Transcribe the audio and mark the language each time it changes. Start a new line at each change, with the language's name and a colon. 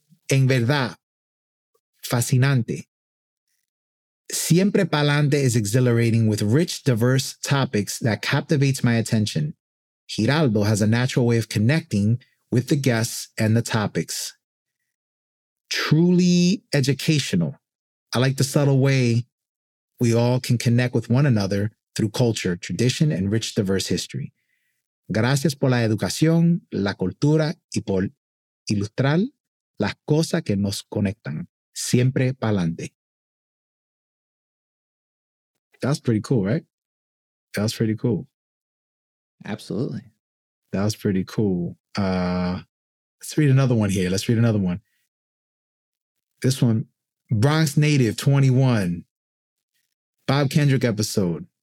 Spanish: En verdad, fascinante.
English: Siempre Pa'lante is exhilarating with rich, diverse topics that captivates my attention. Giraldo has a natural way of connecting with the guests and the topics. Truly educational. I like the subtle way we all can connect with one another through culture, tradition, and rich, diverse history.
Spanish: Gracias por la educación, la cultura, y por ilustrar las cosas que nos conectan. Siempre pa'lante.
English: That's pretty cool, right? That was pretty cool. Absolutely. That was pretty cool. Let's read another one here. Let's read another one. This one, Bronx Native 21, Bob Kendrick episode.